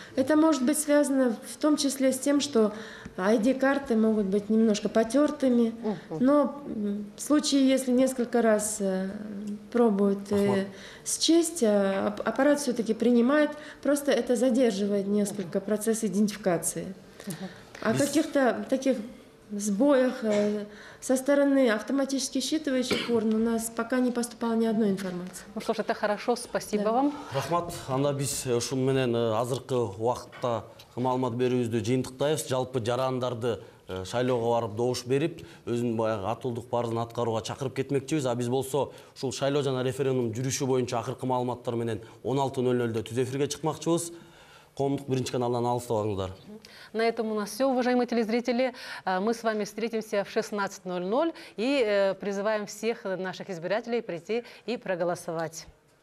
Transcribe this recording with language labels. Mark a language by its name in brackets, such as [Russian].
[Russian] Это может быть связано в том числе с тем, что ID-карты могут быть немножко потертыми, но в случае, если несколько раз пробуют счесть, аппарат все-таки принимает, просто это задерживает несколько процесс идентификации. А каких-то таких сбоях со стороны автоматически считывающих урн у нас пока не поступало ни одной информации. Ну что ж, это хорошо, спасибо вам. [Kyrgyz] Рахмат, анда биз ушул менен азыркы уакытта маалымат берүүбүздү жыйынтыктайбыз. Жалпы жарандарды шайлоого барып добуш берип, өзүн баягы катуулдук парызын аткарууга чакырып кетмекчибиз. А биз болсо ушул шайлоо жана референдум жүрүшү боюнча акыркы маалыматтар менен 16:00 түз эфирге чыкмакчыбыз. Коомдук биринчи каналдан алыстабаңыздар. [Russian] На этом у нас все, уважаемые телезрители. Мы с вами встретимся в 16:00 и призываем всех наших избирателей прийти и проголосовать.